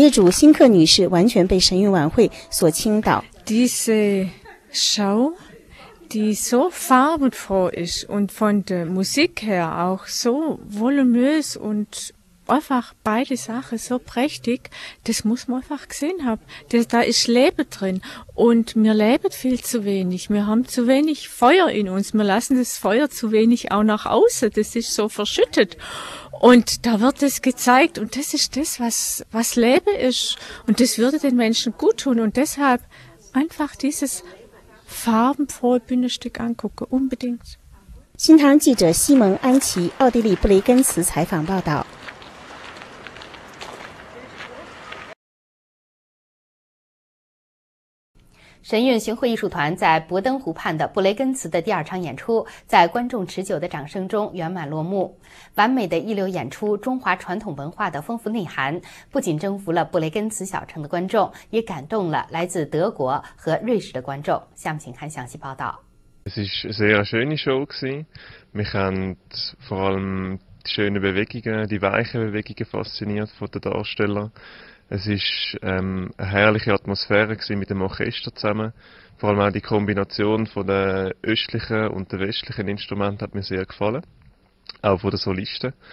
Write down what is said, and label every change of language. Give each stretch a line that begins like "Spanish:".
Chinese: 虽然是第一次看到神韵，企业主辛克女士完全被神韵晚会所倾倒。
German: Diese Show, die so farbenfroh ist und von der Musik her auch so voluminös und einfach beide Sachen so prächtig, das muss man einfach gesehen haben. Da ist Leben drin und wir leben viel zu wenig. Wir haben zu wenig Feuer in uns. Wir lassen das Feuer zu wenig auch nach außen. Das ist so verschüttet. Und da wird es gezeigt und das ist das, was Leben ist. Und das würde den Menschen gut tun. Und deshalb einfach dieses farbenfrohe Bühnenstück angucken, unbedingt.
Chinese: 新唐记者西蒙安琪，奥地利布雷根茨采访报道。神韵巡回艺术团在博登湖畔的布雷根茨的第二场演出，在观众持久的掌声中圆满落幕。完美的一流演出，中华传统文化的丰富内涵，不仅征服了布雷根茨小城的观众，也感动了来自德国和瑞士的观众。下面请看详细报道。
German: Es ist eine sehr schöne Show gewesen. Mich haben vor allem die schönen Bewegungen, die weichen Bewegungen fasziniert von den Darstellern. Es ist eine herrliche Atmosphäre gewesen mit dem Orchester zusammen. Vor allem auch die Kombination von den östlichen und den westlichen Instrumenten hat mir sehr gefallen. Auch von den Solisten.